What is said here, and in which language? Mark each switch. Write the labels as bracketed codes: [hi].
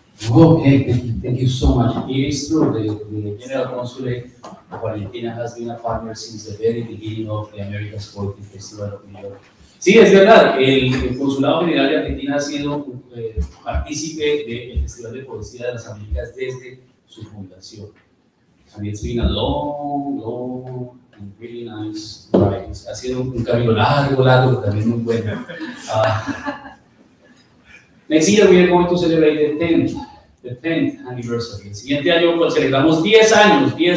[en] Okay, thank you so much. It is true, the General Consulate of Argentina has been a partner since the very beginning of the America's Poetry Festival of New York. [es] Sí, es verdad, el Consulado General de Argentina ha sido partícipe del Festival de Poesía de las Américas desde su fundación. [en] And it's been a long, and really nice ride. [es] Ha sido un camino largo, largo, pero también muy bueno. [en] Next year, we are going to celebrate the 10th anniversary. [es] El siguiente año, pues, celebramos 10 años.